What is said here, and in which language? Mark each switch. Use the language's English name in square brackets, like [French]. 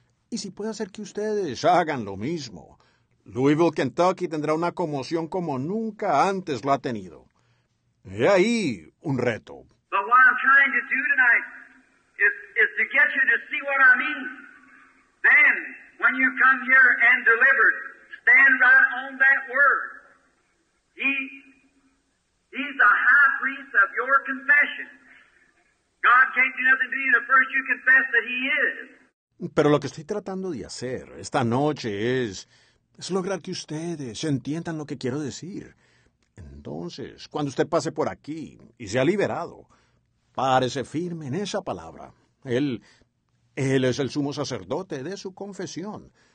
[Spanish] Y si puede hacer que ustedes hagan lo mismo, Louisville, Kentucky tendrá una conmoción como nunca antes lo ha tenido. He ahí un reto. [English] But what I'm trying to do tonight is to get you to see what I mean. Then, when you come here and deliver, stand right on that word. He's the high priest of your confession. God can't do nothing to you the first you confess that he is. [Spanish] Pero lo que estoy tratando de hacer esta noche es lograr que ustedes entiendan lo que quiero decir. Entonces, cuando usted pase por aquí y sea liberado, párese firme en esa palabra. Él es el sumo sacerdote de su confesión.